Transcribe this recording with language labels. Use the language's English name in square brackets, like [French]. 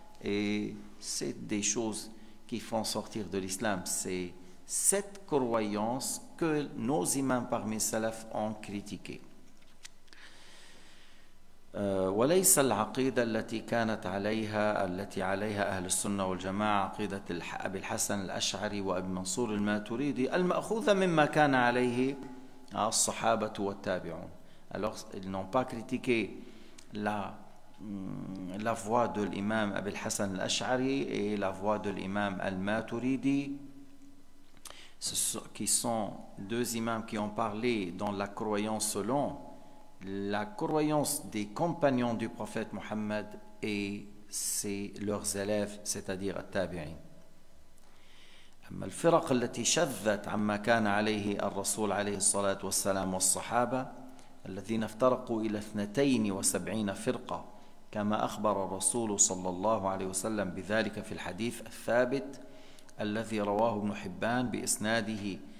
[French] Et c'est des choses qui font sortir de l'islam. C'est cette croyance que nos imams parmi salaf ont critiqué. [Arabic] وليس العقيدة التي كانت عليها التي عليها أهل السنة والجماعة عقيدة أبي الحسن الأشعري وأبي منصور الماتريدي المأخوذة مما كان عليه الصحابة والتابعون. [French] Alors ils n'ont pas critiqué la voie de l'imam Abi al-Hasan al-Ash'ari et la voie de l'imam al-Maturidi, qui sont deux imams qui ont parlé dans la croyance selon la croyance des compagnons du prophète Mohammed et ses leurs élèves, c'est-à-dire التابعين. [Arabic] أما الفرق التي شذت عما كان عليه الرسول عليه الصلاة والسلام والصحابة الذين افترقوا إلى 72 فرقة كما أخبر الرسول صلى الله عليه وسلم بذلك في الحديث الثابت الذي رواه ابن حبان بإسناده